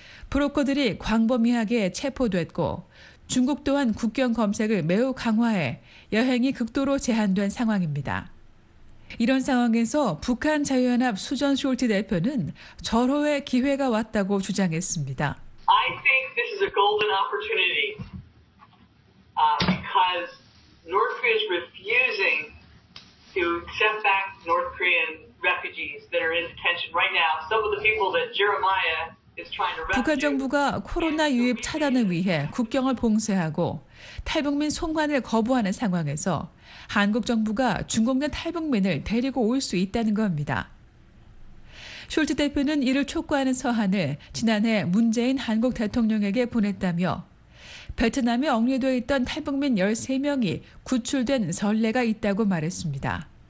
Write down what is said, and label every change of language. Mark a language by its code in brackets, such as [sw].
[ko] 브로커들이 광범위하게 체포됐고 중국 또한 국경 검색을 매우 강화해 여행이 극도로 제한된 상황입니다. 이런 상황에서 북한 자유연합 수전 숄티 대표는 절호의 기회가 왔다고 주장했습니다. [en] I think this is a golden opportunity because North Korea is refusing to send back North Korean refugees that are in detention right now. Some of the people that Jeremiah [ko] 북한 정부가 코로나 유입 차단을 위해 국경을 봉쇄하고 탈북민 송환을 거부하는 상황에서 한국 정부가 중국 내 탈북민을 데리고 올 수 있다는 겁니다. 숄츠 대표는 이를 촉구하는 서한을 지난해 문재인 한국 대통령에게 보냈다며 베트남에 억류돼 있던 탈북민 13명이 구출된 선례가 있다고 말했습니다.